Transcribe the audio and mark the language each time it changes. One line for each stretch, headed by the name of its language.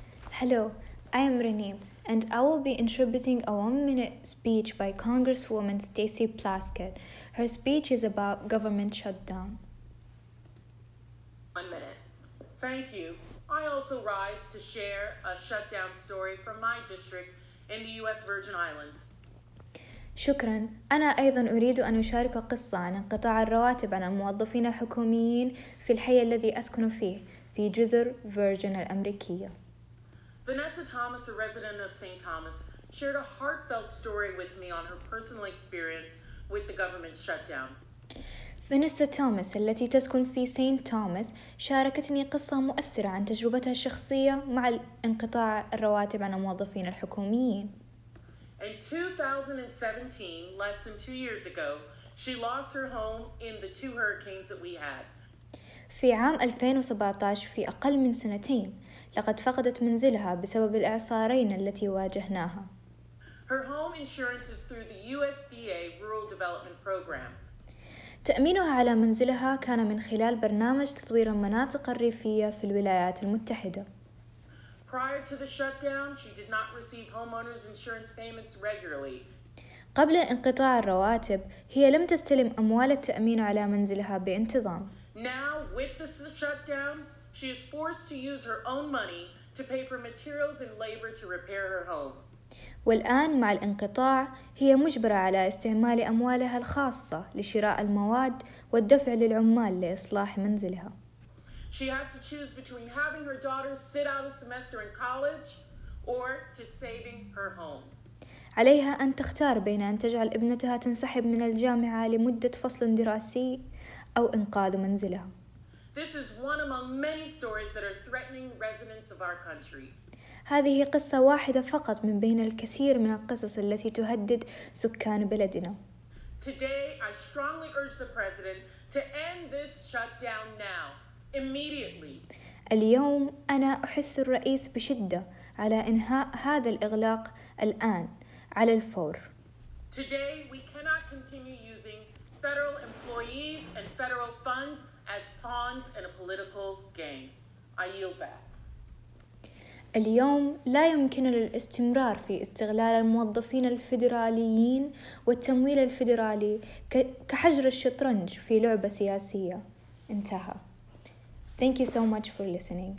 English: Hello, I am Renee, and I will be interpreting a one-minute speech by Congresswoman Stacey Plaskett. Her speech is about government shutdown. 1 minute. Thank you. I also rise to share a shutdown story from my district in the U.S. Virgin Islands.
Arabic: شكراً. أنا أيضاً أريد أن أشارك قصة عن انقطاع الرواتب عن الموظفين الحكوميين في الحي الذي أسكن فيه في جزر فيرجن الأمريكية.
English: Vanessa Thomas, a resident of St. Thomas, shared a heartfelt story with me on her personal experience with the government's shutdown.
Arabic: Vanessa Thomas, التي تسكن في St. Thomas, شاركتني قصة مؤثرة عن تجربتها الشخصية مع انقطاع الرواتب عن الموظفين الحكوميين.
English: In 2017, less than 2 years ago, she lost her home in the two hurricanes that we had.
Arabic: في عام 2017 في أقل من سنتين لقد فقدت منزلها بسبب الإعصارين التي واجهناها.
English: Her home insurance is through the USDA Rural Development Program.
Arabic: تأمينها على منزلها كان من خلال برنامج تطوير المناطق الريفية في الولايات المتحدة.
English: Prior to the shutdown, she did not receive homeowners insurance payments regularly.
Arabic: قبل انقطاع الرواتب هي لم تستلم أموال التأمين على منزلها بانتظام.
English: Now, with the shutdown, she is forced to use her own money to pay for materials and labor to repair her home.
Arabic: والآن مع الانقطاع هي مجبرة على استعمال أموالها الخاصة لشراء المواد والدفع للعمال لإصلاح منزلها.
English: She has to choose between having her daughter sit out a semester in college or to saving her home.
Arabic: عليها أن تختار بين أن تجعل ابنتها تنسحب من الجامعة لمدة فصل دراسي أو إنقاذ منزلها.
English: This is one among many stories that are threatening residents of our country.
Arabic: هذه قصة واحدة فقط من بين الكثير من القصص التي تهدد سكان بلدنا.
English: Today, I strongly urge the president to end this shutdown now, immediately.
Arabic: اليوم أنا أحث الرئيس بشدة على إنهاء هذا الإغلاق الآن. على الفور.
English: Today we cannot continue using federal employees and federal funds as pawns in a political game. I yield back.
Arabic: اليوم لا يمكننا الاستمرار في استغلال الموظفين الفيدراليين والتمويل الفيدرالي كحجر الشطرنج في لعبة سياسية. انتهى.
English: Thank you so much for listening.